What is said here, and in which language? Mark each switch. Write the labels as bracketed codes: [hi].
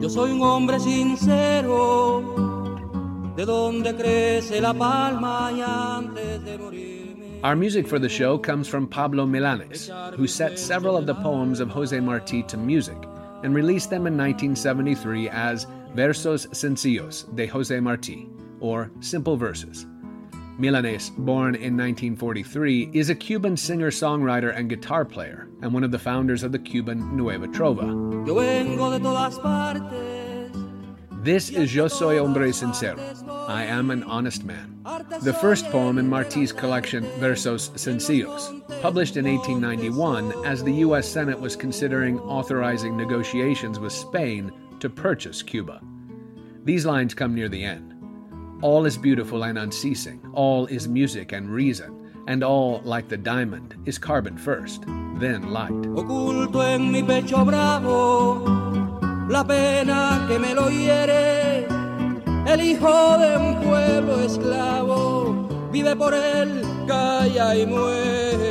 [es] Yo soy un hombre sincero, de donde crece la palma y antes de morirme. [en] Our music for the show comes from Pablo Milanes, who set several of the poems of José Martí to music and released them in 1973 as Versos Sencillos de José Martí, or Simple Verses. Milanes, born in 1943, is a Cuban singer-songwriter and guitar player, and one of the founders of the Cuban Nueva Trova. [es] Yo vengo de todas partes. [en] This is Yo Soy Hombre Sincero, I Am an Honest Man, the first poem in Martí's collection Versos Sencillos, published in 1891 as the U.S. Senate was considering authorizing negotiations with Spain to purchase Cuba. These lines come near the end. All is beautiful and unceasing, all is music and reason, and all, like the diamond, is carbon first, then light. [es] Oculto en mi pecho bravo, la pena que me lo hiere, el hijo de un pueblo esclavo, vive por él, calla y muere.